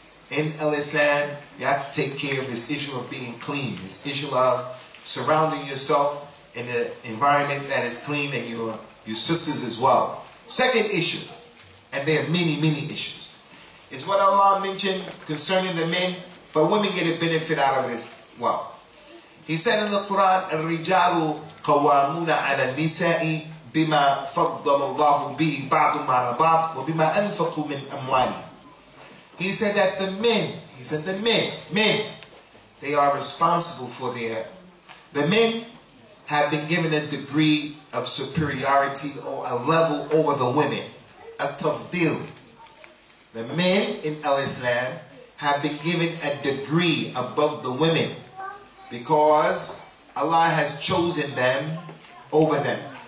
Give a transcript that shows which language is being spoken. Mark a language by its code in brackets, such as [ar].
[en] In Al-Islam, you have to take care of this issue of being clean, this issue of surrounding yourself in an environment that is clean and your sisters as well. Second issue, and there are many, many issues, is what Allah mentioned concerning the men, but women get a benefit out of it as well. He said in the Quran, [ar] الرِّجَالُ قَوَامُونَ عَلَى النِّسَاءِ بِمَا فَضَّلَ اللَّهُ بِهِ بَعْضٌ عَلَى بَعْضٍ وَبِمَا أَنْفَقُوا مِنْ أَمْوَالِهِ. [en] He said that the men, they are responsible for their, the men have been given a degree of superiority or a level over the women, a tafdil. The men in Al-Islam have been given a degree above the women because Allah has chosen them over them.